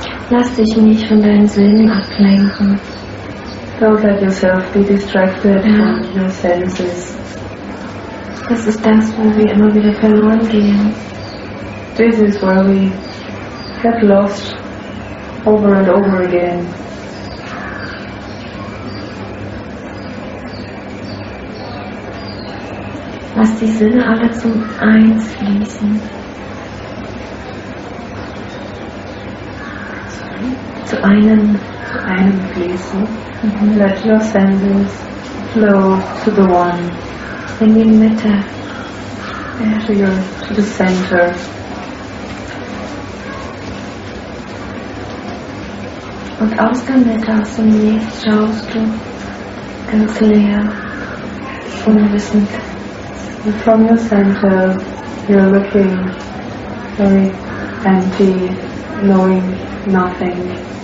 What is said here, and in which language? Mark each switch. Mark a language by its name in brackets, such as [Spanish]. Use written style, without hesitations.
[German] Lass dich nicht von deinen Sinnen ablenken. [English] Don't let yourself be distracted from your senses. [German] Das ist das, wo wir immer wieder verloren gehen. [English] This is where we get lost over and over again. [German] Lass die Sinne alle zum Eins fließen. Zu einem [English] fließen. Mm-hmm. Let your senses flow to the one. [German] In die Mitte. [English] To the center. [German] Und aus der Mitte, aus dem Licht, schaust du ganz leer, unwissend. [English] And from your center, you're looking very empty, knowing nothing.